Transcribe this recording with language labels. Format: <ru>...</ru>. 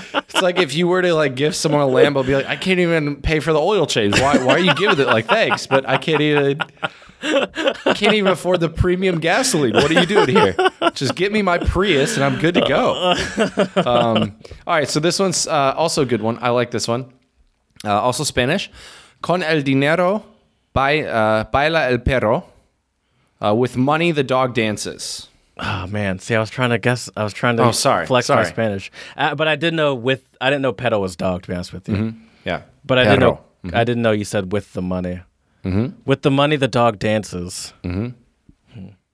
<en>It's like if you were to like give someone a Lambo, be like, I can't even pay for the oil change. Why are you giving it? Like, thanks, but I can't even afford the premium gasoline. What are you doing here? Just get me my Prius and I'm good to go. All right, so this one's also a good one. I like this one. Also Spanish.</en> <es>Con el dinero, baila el perro.</es> <en>With money, the dog dances. Oh, man. See, I was trying to flex my Spanish. But I didn't know pedo was dog, to be honest with you. Mm-hmm. Yeah. But pedo. I didn't know you said with the money. Mm-hmm. With the money, the dog dances. Mm-hmm.</en>